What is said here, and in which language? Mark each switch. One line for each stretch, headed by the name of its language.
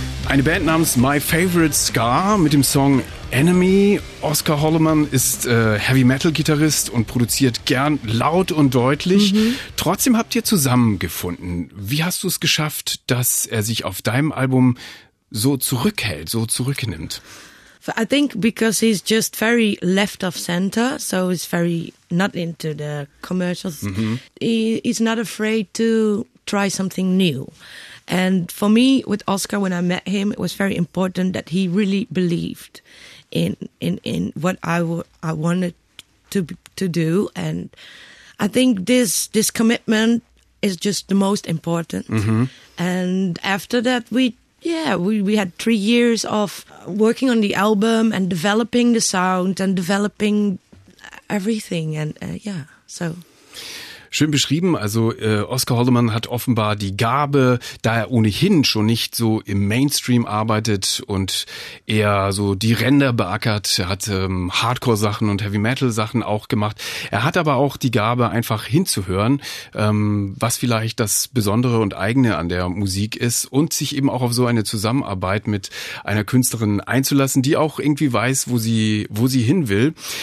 German: Eine Band namens My Favorite Scar mit dem Song Enemy. Oscar Hollemann ist Heavy-Metal-Gitarrist und produziert gern laut und deutlich. Mhm. Trotzdem habt ihr zusammengefunden. Wie hast du es geschafft, dass er sich auf deinem Album so zurückhält, so zurücknimmt?
English: I think because he's just very left of center, so he's very not into the commercials. Mm-hmm. He's not afraid to try something new. And for me, with Oscar, when I met him, it was very important that he really believed in what I wanted to do. And I think this commitment is just the most important. Mm-hmm. And after that, we had 3 years of working on the album and developing the sound and developing everything. And so.
German: Schön beschrieben. Also Oscar Hollemann hat offenbar die Gabe, da er ohnehin schon nicht so im Mainstream arbeitet und eher so die Ränder beackert. Er hat Hardcore-Sachen und Heavy-Metal-Sachen auch gemacht. Er hat aber auch die Gabe, einfach hinzuhören, was vielleicht das Besondere und Eigene an der Musik ist und sich eben auch auf so eine Zusammenarbeit mit einer Künstlerin einzulassen, die auch irgendwie weiß, wo sie hin will.